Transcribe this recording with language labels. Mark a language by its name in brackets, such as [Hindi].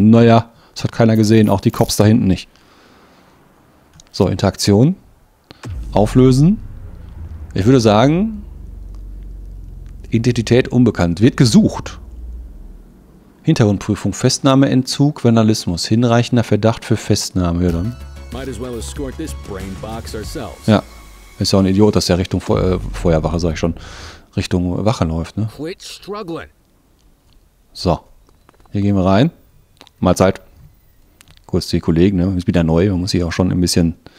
[German] Naja, das hat keiner gesehen. Auch die Cops da hinten nicht. So, Interaktion. Auflösen. Ich würde sagen, Identität unbekannt. Wird gesucht. Hintergrundprüfung, Festnahmeentzug, Vandalismus, hinreichender Verdacht für Festnahme, ja dann. [English] Might as well escort this brain box ourselves. [German] Ja, ist ja auch ein Idiot, dass der Richtung Feuerwache, sag ich schon, Richtung Wache läuft, ne? [English] Quit struggling. [German] So, hier gehen wir rein. Mahlzeit. Kurz die Kollegen, ne? Ist wieder neu, man muss sich auch schon ein bisschen